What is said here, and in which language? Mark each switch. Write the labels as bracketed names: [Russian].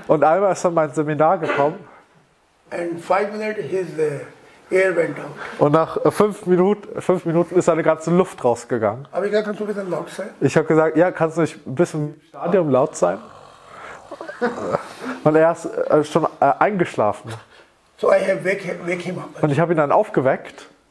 [German] Und einmal ist er mein Seminar gekommen. [English] And 5 minutes his air went out. [German] Und nach fünf Minuten ist seine ganze Luft rausgegangen. Aber ich kannst du ein bisschen laut sein? Ich habe gesagt, ja, kannst du nicht ein bisschen im Stadion laut sein? Und er ist schon eingeschlafen. [English] So I have wake him up. [German] Und ich habe ihn dann aufgeweckt.